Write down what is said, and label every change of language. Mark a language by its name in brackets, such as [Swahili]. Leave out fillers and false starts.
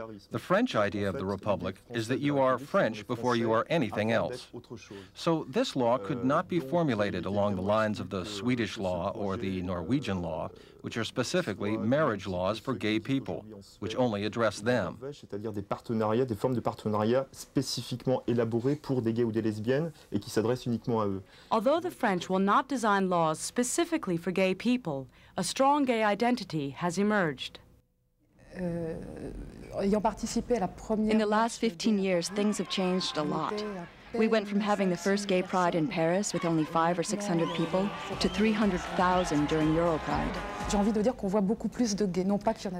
[English] The French idea of the Republic is that you are French before you are anything else. So this law could not be formulated along the lines of the Swedish law or the Norwegian law, which are specifically marriage laws for gay people, which only address them. [French] C'est-à-dire des partenariats, des formes de partenariats spécifiquement élaborés pour des gays ou des lesbiennes et qui s'adressent uniquement à eux. [English] Although the French will not design laws specifically for gay people, a strong gay identity has emerged. In the last 15 years, things have changed a lot. We went from having the first gay pride in Paris with only 500 or 600 people to 300,000 during Europride.